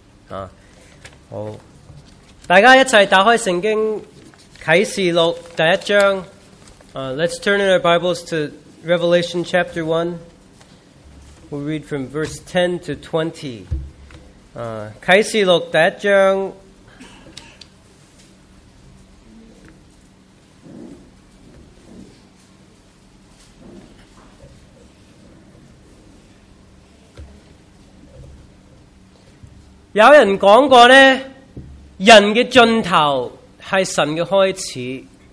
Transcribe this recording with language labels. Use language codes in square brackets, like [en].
[zh] 啊，好，大家一齐打开圣经启示录第一章。 [en] Let's turn in our Bibles to Revelation chapter 1. We'll read from verse 10 to 20. [zh] 启示录第一章有人讲过呢，人的尽头是神的开始。